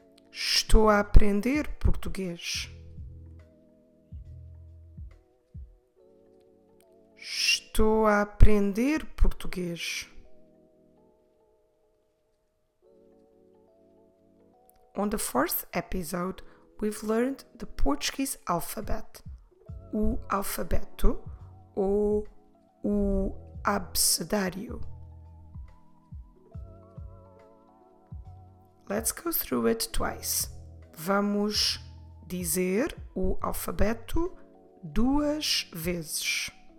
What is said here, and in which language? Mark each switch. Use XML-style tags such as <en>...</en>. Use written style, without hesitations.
<pt>Estou a aprender português. Estou a aprender português.</pt> <en>On the fourth episode, we've learned the Portuguese alphabet.</en> <pt>O alfabeto ou o abecedário.</pt> <en>Let's go through it twice.</en> <pt>Vamos dizer o alfabeto duas vezes.</pt>